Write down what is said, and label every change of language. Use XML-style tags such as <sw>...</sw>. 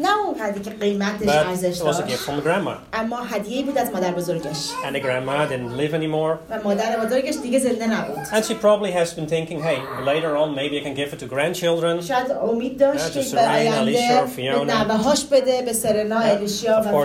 <fa>نه اونقدر که قیمتش ارزش داشت.</fa> <en>It was a gift from the grandma.</en> <fa>اما هدیه‌ای بود از مادر بزرگش.</fa> <en>And the grandma didn't live anymore.</en> <fa>و مادر بزرگش دیگه زنده نبود.</fa> <en>And she probably has been thinking, hey, later on maybe I can give it to grandchildren.</en> <fa>شاید امید داشت که به آینده به نوه‌هاش بده به سرنا الیشیا و فیونا.</fa>